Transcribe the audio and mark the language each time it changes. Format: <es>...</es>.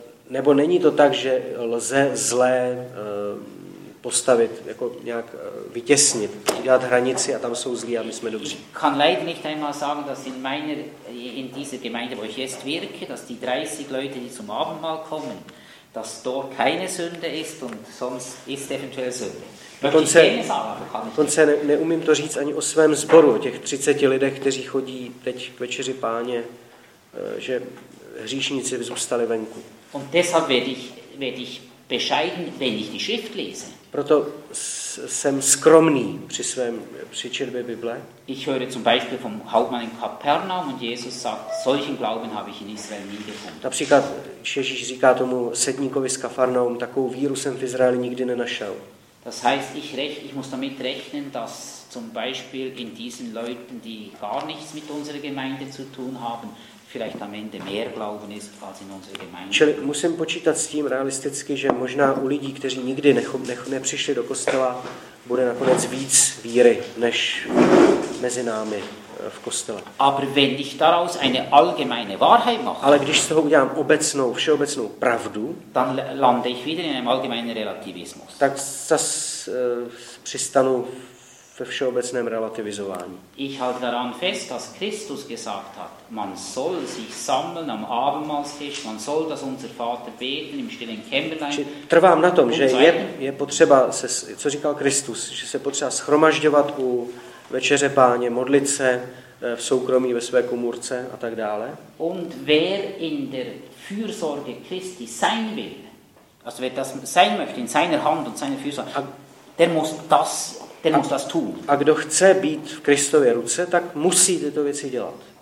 <cs>Nebo není to tak, že lze zlé postavit, jako nějak vytěsnit, dělat hranici a tam jsou zlí a my jsme dobří.</cs> <de>Kann leider nicht einmal sagen, dass in dieser Gemeinde, wo ich jetzt wirke, dass die 30 Leute, die zum Abendmahl kommen, dass dort keine Sünde ist und sonst ist eventuell Sünde.</de> <cs>Dokonce neumím to říct ani o svém sboru, o těch 30 lidech, kteří chodí teď k večeři páně, že hříšníci zůstali venku.</cs> <de>Und deshalb werde ich bescheiden, wenn ich die Schrift lese.</de> <cs>Proto jsem skromný při četbě Bible.</cs> <de>Ich höre zum Beispiel vom Hauptmann in Kapernaum und Jesus sagt, solchen Glauben habe ich in Israel nie gefunden.</de> <cs>Například Ježíš říká tomu sedníkovi z Kafarnaum, takovou víru jsem v Izraeli nikdy nenašel.</cs> <de>Das heißt, ich muss damit rechnen, dass zum Beispiel in diesen Leuten, die gar nichts mit unserer Gemeinde zu tun haben, vielleicht am Ende mehr Glauben ist als in unserer Gemeinde.</de> <cs>Čili musím počítat s tím realisticky, že možná u lidí, kteří nikdy nepřišli do kostela, bude nakonec víc víry než mezi námi v kostele.</cs> <de>Aber wenn ich daraus eine allgemeine Wahrheit mache,</de> <cs>ale když z toho udělám obecnou, všeobecnou pravdu,</cs> <de>dann lande ich wieder in einem allgemeinen Relativismus.</de> <cs>Tak zase přistanu v ve všeobecném relativizování.</cs> <de>Ich halte daran fest, dass Christus gesagt hat, man soll sich sammeln am Abendmahlstisch, man soll das unser Vater beten im stillen Kämmerlein.</de> <cs>Či trvám na tom, že je potřeba se, co říkal Kristus, že se potřeba shromažďovat u večeře Páně, modlit se v soukromí ve své komůrce a tak dále.</cs> <de>Und wer in der Fürsorge Christi sein will, also wer das sein möchte in seiner Hand und seiner Fürsorge, der muss das</de> <cs>A kdo chce být v Kristově ruce, tak musí tyto věci dělat.</cs>